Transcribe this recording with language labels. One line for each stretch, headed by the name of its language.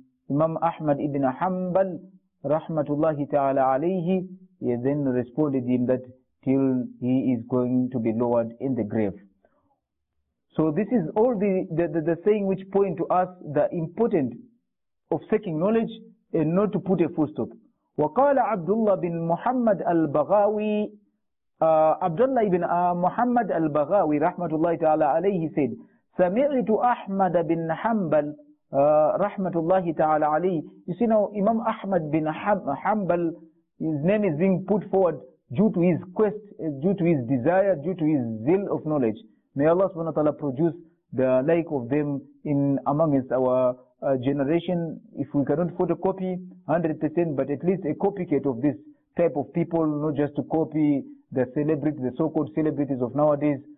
English: Imam Ahmad ibn Hanbal rahmatullahi ta'ala alayhi, he then responded him that till he is going to be lowered in the grave. So this is all the saying which point to us the importance of seeking knowledge and not to put a full stop.
Arabic: وقال عبد الله بن محمد البغاوي,
English: Abdullah ibn Muhammad al-Baghawi rahmatullahi ta'ala alayhi said,
Arabic: سمعت أحمد بن حنبل رحمة الله تعالى عليه.
English: You see now, Imam Ahmad bin Hanbal, his name is being put forward due to his quest, due to his desire, due to his zeal of knowledge. May Allah subhanahu wa ta'ala produce the like of them in amongst our generation. If we cannot photocopy 100%, but at least a copycat of this type of people, not just to copy the celebrity, the so-called celebrities of nowadays.